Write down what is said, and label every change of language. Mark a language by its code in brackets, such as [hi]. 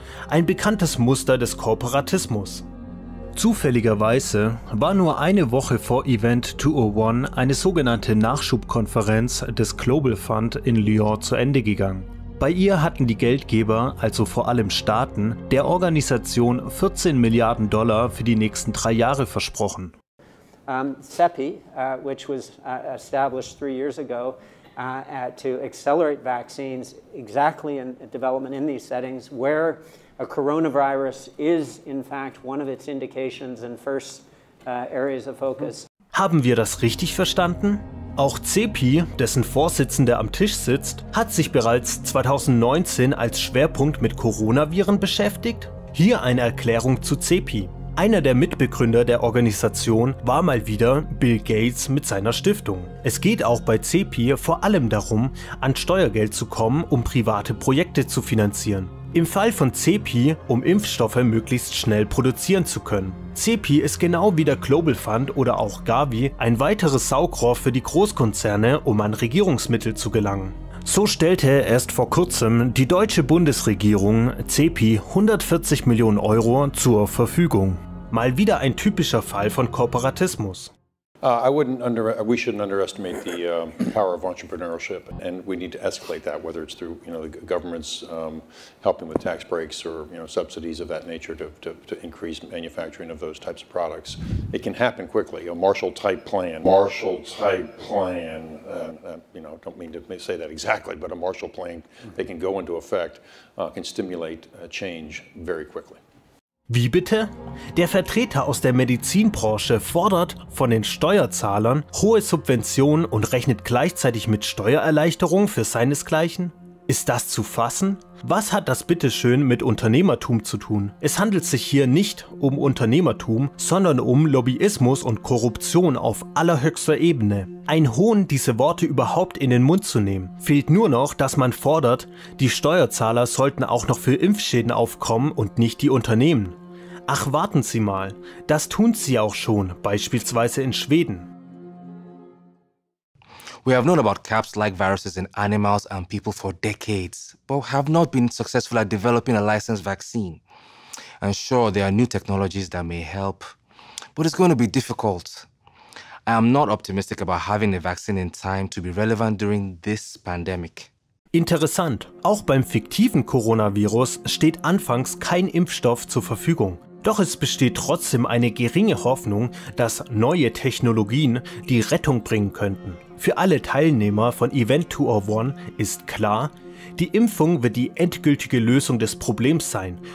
[de] Ein bekanntes Muster des Korporatismus. Zufälligerweise war nur eine Woche vor Event 201 eine sogenannte Nachschubkonferenz des Global Fund in Lyon zu Ende gegangen. Bei ihr hatten die Geldgeber, also vor allem Staaten, der Organisation 14 Milliarden Dollar für die nächsten drei Jahre versprochen. [en] CEPI, which was established 3 years ago to accelerate vaccines exactly in development in these settings, where a coronavirus is in fact one of its indications and first areas of focus. [de] Haben wir das richtig verstanden? Auch CEPI, dessen Vorsitzender am Tisch sitzt, hat sich bereits 2019 als Schwerpunkt mit Coronaviren beschäftigt? Hier eine Erklärung zu CEPI. Einer der Mitbegründer der Organisation war mal wieder Bill Gates mit seiner Stiftung. Es geht auch bei CEPI vor allem darum, an Steuergeld zu kommen, um private Projekte zu finanzieren. Im Fall von CEPI, um Impfstoffe möglichst schnell produzieren zu können. CEPI ist genau wie der Global Fund oder auch Gavi ein weiteres Saugrohr für die Großkonzerne, um an Regierungsmittel zu gelangen. So stellte erst vor kurzem die deutsche Bundesregierung CEPI 140 Millionen Euro zur Verfügung. Mal wieder ein typischer Fall von Kooperatismus. [en] We shouldn't underestimate the power of entrepreneurship, and we need to escalate that, whether it's through, you know, the government's helping with tax breaks or, you know, subsidies of that nature to increase manufacturing of those types of products. It can happen quickly. A Marshall-type plan. Marshall-type plan. You know, don't mean to say that exactly, but a Marshall plan that can go into effect can stimulate change very quickly. [de] Wie bitte? Der Vertreter aus der Medizinbranche fordert von den Steuerzahlern hohe Subventionen und rechnet gleichzeitig mit Steuererleichterung für seinesgleichen? Ist das zu fassen? Was hat das bitteschön mit Unternehmertum zu tun? Es handelt sich hier nicht um Unternehmertum, sondern um Lobbyismus und Korruption auf allerhöchster Ebene. Ein Hohn, diese Worte überhaupt in den Mund zu nehmen. Fehlt nur noch, dass man fordert, die Steuerzahler sollten auch noch für Impfschäden aufkommen und nicht die Unternehmen. Ach, warten Sie mal, das tun Sie auch schon, beispielsweise in Schweden. [en] We have known about caps-like viruses in animals and people for decades, but have not been successful at developing a licensed vaccine. And sure, there are new technologies that may help, but it's going to be difficult. I am not optimistic about having a vaccine in time to be relevant during this pandemic. [de] Interessant. Auch beim fiktiven Coronavirus steht anfangs kein Impfstoff zur Verfügung. Doch es besteht trotzdem eine geringe Hoffnung, dass neue Technologien die Rettung bringen könnten. Für alle Teilnehmer von Event 201 ist klar, die Impfung wird die endgültige Lösung des Problems sein.